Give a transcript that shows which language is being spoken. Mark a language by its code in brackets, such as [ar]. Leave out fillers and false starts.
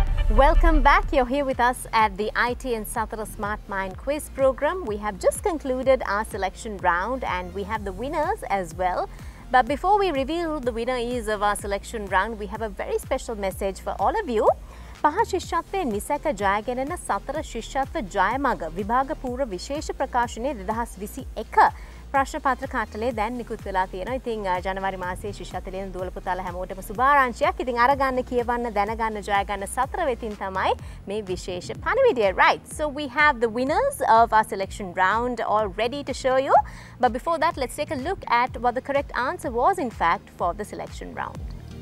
[en] Welcome back. You're here with us at the ITN Satra Smart Mind Quiz Program. We have just concluded our selection round and we have the winners as well. But before we reveal who the winner is of our selection round, we have a very special message for all of you. [si] පහ ශිෂ්‍යත්වයේ නිසැක ජය ගැනෙන සතර ශිෂ්‍යත්ව ජයමග විභාග පූර්ව විශේෂ ප්‍රකාශනයේ 2021 ප්‍රශ්න පත්‍ර කට්ටලේ දැන් නිකුත් වෙලා තියෙනවා. ඉතින් ජනවාරි මාසයේ ශිෂ්‍යත්වයෙන් දුවල පුතාලා හැමෝටම සුභාරංශයක්. ඉතින් අරගන්න කියවන්න දැනගන්න ජය ගන්න සතර වෙතින් තමයි මේ විශේෂ පණිවිඩය. [en] Right, so we have the winners of our selection round all ready to show you. But before that, let's take a look at what the correct answer was in fact for the selection round.